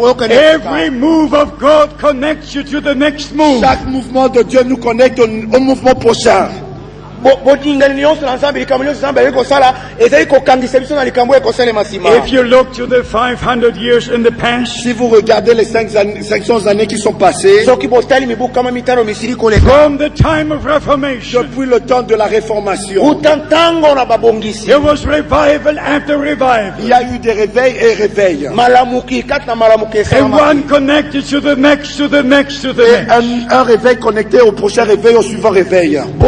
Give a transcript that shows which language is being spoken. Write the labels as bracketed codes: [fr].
[en] Every move of God connects you to the next move. [fr] Chaque mouvement de Dieu nous connecte au mouvement prochain. [en] If you look to the 500 years in the past, [fr] si vous regardez les 500 années qui sont passées, [en] from the time of Reformation, [fr] depuis le temps de la Réformation, [en] there was revival after revival. [fr] Il y a eu des réveils et réveils. [en] And one connected to the next, to the next, to the next. [fr] Un réveil connecté au prochain réveil, au suivant réveil.